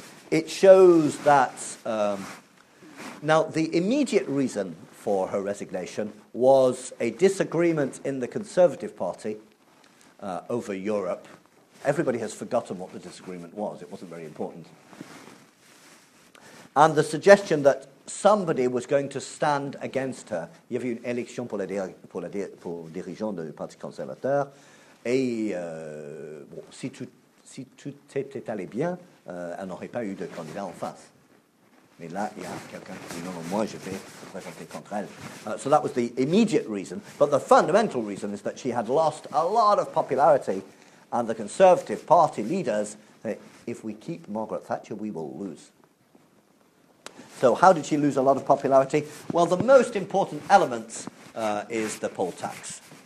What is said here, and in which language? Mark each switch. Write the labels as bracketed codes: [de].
[en] It shows that... the immediate reason for her resignation was a disagreement in the Conservative Party over Europe. Everybody has forgotten what the disagreement was. It wasn't very important. And the suggestion that somebody was going to stand against her. [fr] Il y avait une élection pour le dirigeant du Parti conservateur. Et si tout était allé bien, elle n'aurait pas eu de candidat en face. Et là, il y a quelqu'un qui dit, non, non, moi, je vais présenter contre elle. [en] So that was the immediate reason. But the fundamental reason is that she had lost a lot of popularity, and the Conservative Party leaders say, if we keep Margaret Thatcher, we will lose. So how did she lose a lot of popularity? Well, the most important element is the poll tax.